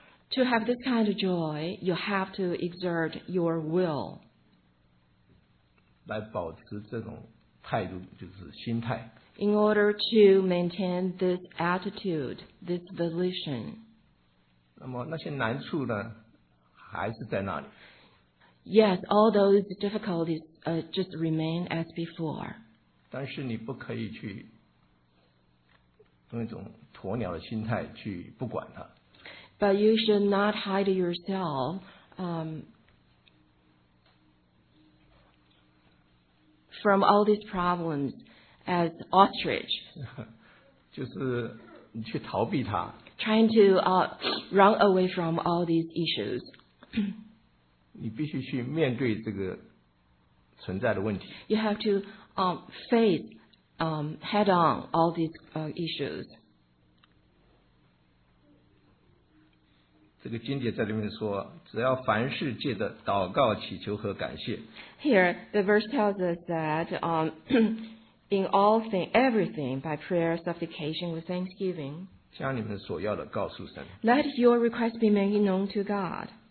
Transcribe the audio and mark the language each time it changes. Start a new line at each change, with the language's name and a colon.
English: to have this kind of joy, you have to exert your will.
Chinese: 来保持这种态度, 就是心态,
English: in order to maintain this attitude, this volition.
Chinese: 那么那些难处呢?还是在那里。
English: Yes, all those difficulties just remain as before.
Chinese: 但是你不可以去用一种鸵鸟的心态去不管它。
English: But you should not hide yourself. 嗯, from all these problems as ostrich.
Chinese: 就是你去逃避它。
English: Trying to run away from all these issues.
Chinese: 你必须去面对这个存在的问题。
English: You have to face head on all these issues.
Chinese: 这个经节在里面说，只要凡事借着祷告、祈求和感谢。
English: Here, the verse tells us that in all things, everything by prayer, supplication with thanksgiving.
Chinese: 将你们所要的告诉神。
English: Let your request be made known to God.